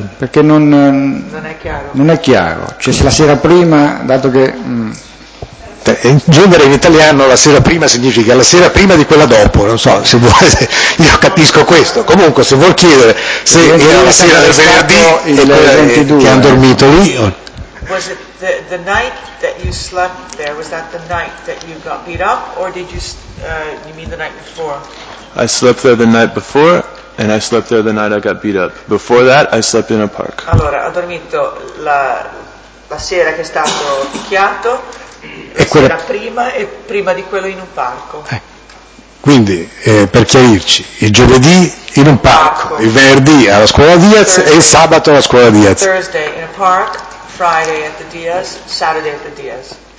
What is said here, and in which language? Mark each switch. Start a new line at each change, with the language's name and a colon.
Italian: Perché non è chiaro. Cioè se la sera prima, dato che... In genere in italiano la sera prima significa la sera prima di quella dopo, non so se vuole, io capisco questo. Comunque se vuol chiedere se era la sera del venerdì il 22, che hanno dormito lì.
English: Was it the night that you slept there? Was that the night that you got beat up, or did you you mean the night before? I slept there the night before, and I slept there the night I got beat up. Before that, I slept in a park.
Italian: Allora, ho dormito la sera che è stato picchiato, la sera prima e prima di quello in un parco. Quindi, per chiarirci, il giovedì in un parco, il venerdì alla scuola Diaz e il sabato alla scuola Diaz.
English: Thursday in a park. Friday at the Diaz, Saturday at the Diaz.